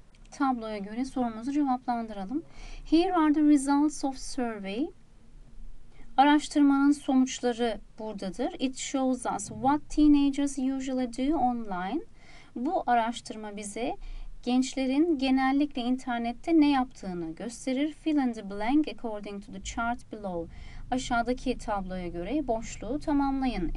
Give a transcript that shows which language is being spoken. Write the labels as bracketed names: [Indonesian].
[Turkish] tabloya göre sorumuzu cevaplandıralım. [English] Here are the results of survey. [Turkish] Araştırmanın sonuçları buradadır. [English] It shows us what teenagers usually do online. [Turkish] Bu araştırma bize gençlerin genellikle internette ne yaptığını gösterir. [English] Fill in the blank according to the chart below. [Turkish] Aşağıdaki tabloya göre boşluğu tamamlayın.